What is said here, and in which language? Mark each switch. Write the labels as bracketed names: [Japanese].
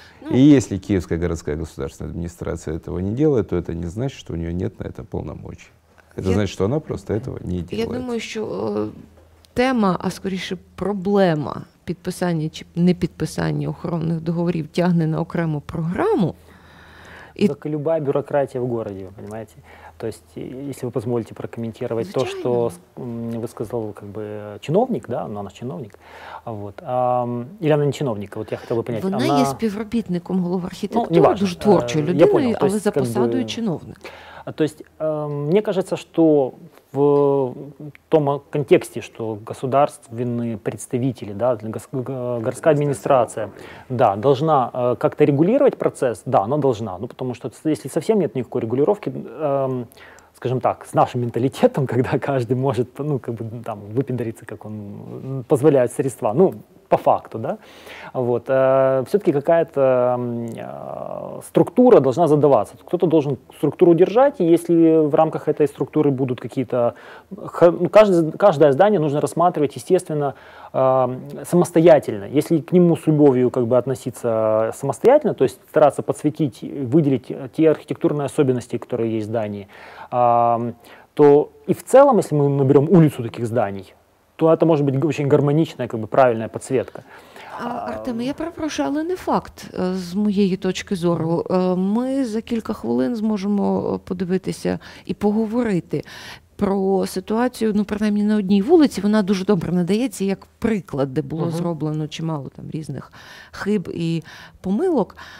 [Russian] И если Киевская городская государственная администрация этого не делает, то это не значит, что у нее нет на это полномочий. Это значит, что она просто этого не делает. Я думаю, что тема, а скорее проблема [Ukrainian] підписання чи не підписання охоронних договорів тягне на окрему програму. [Russian] Так и любая бюрократия в городе, вы понимаете? То есть, если вы позволите прокомментировать, [Ukrainian] звичайно, [Russian] то, что высказал как бы чиновник, да, но она же чиновник, вот, или она не чиновник, вот я хотел бы понять. [Ukrainian] Вона є співробітником голови архітектури, ну, дуже творчою людиною, але за посадою чиновник. [Russian] То есть, мне кажется, что в том контексте, что государственные представители, да, городская администрация, да, должна как-то регулировать процесс, да, она должна, ну, потому что если совсем нет никакой регулировки, скажем так, с нашим менталитетом, когда каждый может, ну, как бы, там, выпендриться, как он позволяет средства, ну, по факту, да, вот, все-таки какая-то структура должна задаваться, кто-то должен структуру держать, и если в рамках этой структуры будут какие-то, каждое здание нужно рассматривать, естественно, самостоятельно, если к нему с любовью как бы относиться самостоятельно, то есть стараться подсветить, выделить те архитектурные особенности, которые есть в здании, то и в целом, если мы наберем улицу таких зданий, то это может быть очень гармоничная, как бы правильная подсветка. [Ukrainian] Артем, я перепрошую, але не факт, з моєї точки зору. Ми за кілька хвилин зможемо подивитися і поговорити про ситуацію, ну, принаймні, на одній вулиці. Вона дуже добре надається як приклад, де було зроблено чимало там різних хиб і помилок.